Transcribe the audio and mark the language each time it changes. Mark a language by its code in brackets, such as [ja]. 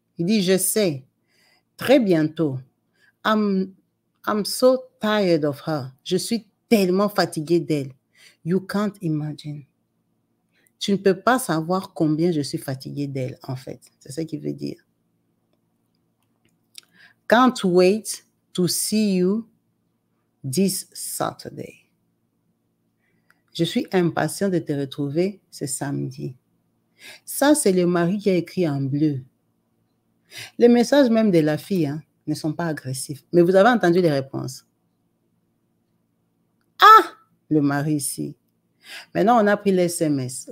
[fr] Il dit, je sais, très bientôt. [en] I'm so tired of her. [fr] Je suis tellement fatiguée d'elle. [en] You can't imagine. [fr] Tu ne peux pas savoir combien je suis fatiguée d'elle, en fait. C'est ce qu'il veut dire. [en] Can't wait to see you this Saturday. [fr] Je suis impatient de te retrouver ce samedi. Ça, c'est le mari qui a écrit en bleu. Les messages même de la fille, hein, ne sont pas agressifs. Mais vous avez entendu les réponses. Le mari ici. Maintenant, on a pris l'SMS.